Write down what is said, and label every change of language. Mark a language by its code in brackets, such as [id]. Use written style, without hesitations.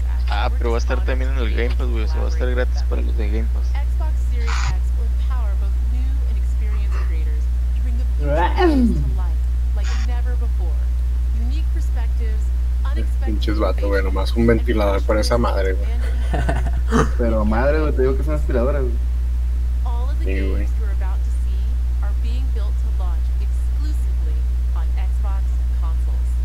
[es] Ah, pero va a estar también en el Game Pass, güey, o sea, va a estar gratis para los de Game Pass. [en] Xbox Series X will empower both new and experienced creators to bring the future to life like never before. Unique perspectives, unexpected... [es] Pinches vato, güey, nomás un ventilador para esa madre, güey. Pero madre, güey, te digo que son aspiradoras, güey. [en] All of the games you're about to see are being built to launch exclusively on Xbox consoles.